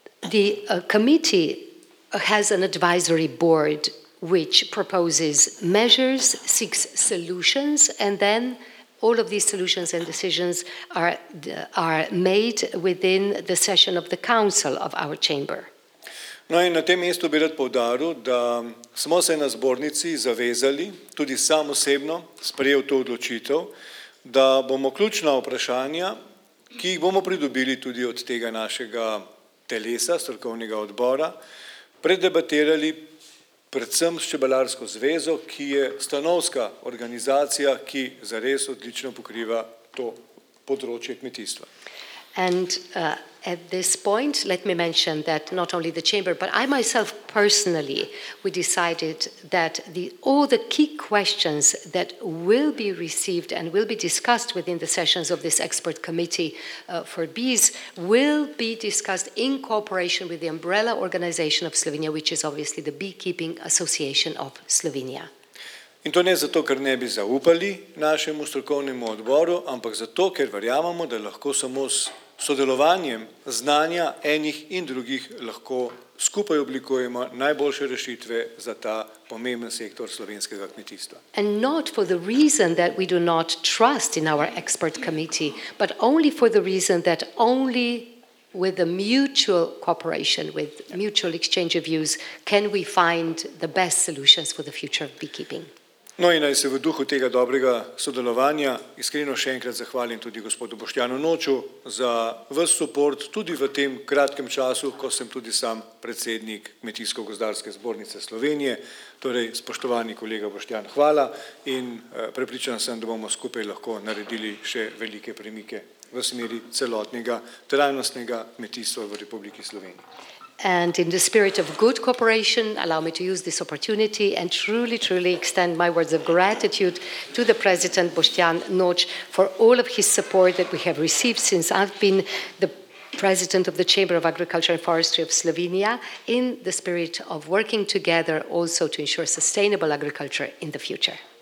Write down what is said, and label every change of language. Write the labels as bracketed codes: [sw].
[en] The committee has an advisory board which proposes measures, seeks solutions and then all of these solutions and decisions are made within the session of the council of our chamber. [sl] No in na tem mestu bi rad poudaril, da smo se na zbornici zavezali, tudi sam osebno sprejel to odločitev, da bomo ključna vprašanja, ki jih bomo pridobili tudi od tega našega telesa, strokovnega odbora, predebatirali predvsem s Čebelarsko zvezo, ki je stanovska organizacija, ki zares odlično pokriva to področje kmetijstva. [en] And at this point, let me mention that not only the chamber, but I myself personally, we decided that all the key questions that will be received and will be discussed within the sessions of this expert committee for bees will be discussed in cooperation with the umbrella organization of Slovenia, which is obviously the Beekeeping Association of Slovenia. [sl] In to ne zato, ker ne bi zaupali našemu strokovnemu odboru, ampak zato, ker verjamemo, da lahko samo s sodelovanjem znanja enih in drugih lahko skupaj oblikujemo najboljše rešitve za ta pomemben sektor slovenskega kmetijstva. [en] And not for the reason that we do not trust in our expert committee, but only for the reason that only with the mutual cooperation, with mutual exchange of views, can we find the best solutions for the future of beekeeping. [sl] No in naj se v duhu tega dobrega sodelovanja iskreno še enkrat zahvalim tudi gospodu Boštjanu Noču za ves suport tudi v tem kratkem času, ko sem tudi sam predsednik Kmetijsko-gozdarske zbornice Slovenije. Torej, spoštovani kolega Boštjan, hvala in prepričan sem, da bomo skupaj lahko naredili še velike premike v smeri celotnega trajnostnega kmetijstva v Republiki Sloveniji. [en] And in the spirit of good cooperation, allow me to use this opportunity and truly, truly extend my words of gratitude to the President Boštjan Noč for all of his support that we have received since I've been the President of the Chamber of Agriculture and Forestry of Slovenia, in the spirit of working together also to ensure sustainable agriculture in the future.